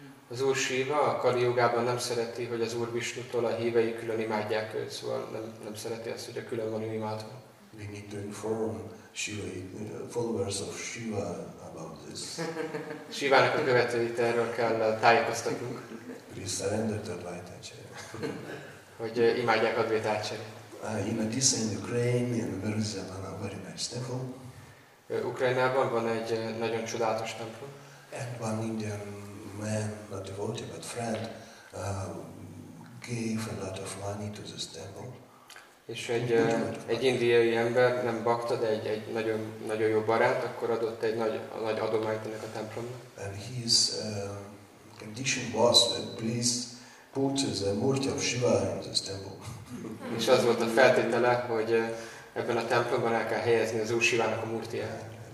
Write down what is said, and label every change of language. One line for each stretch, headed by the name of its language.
Hungarian: Az Úr Shiva a Kali Yugában nem szereti, hogy az Úr Vishnutól a hívei külön imádják őt, szóval nem szereti azt, hogy a külön van imádva.
English: we need to inform Shiva, followers of Shiva about this.
Hungarian: Shivának a követőit erről kell tájékoztatnunk.
English: Please surrender to Advait Acharya.
Hungarian: Hogy imádják Advait Acharyát.
English: In Odessa, in Ukraine, in Berezovka, a very nice temple.
Hungarian: Ukrajnában van egy nagyon csodálatos templom.
English: And one Indian man, not devotee, but friend, gave a lot of money to this temple.
Hungarian: És egy indiai ember, nem bakta, de egy nagyon nagyon jó barát, akkor adott egy nagy adományt ennek a templomnak.
English: And his condition was that please put the murti of Shiva in this temple.
Hungarian: És az volt a feltétele, hogy ebben a templomban el kell helyezni az Úr Sivának a murtiját.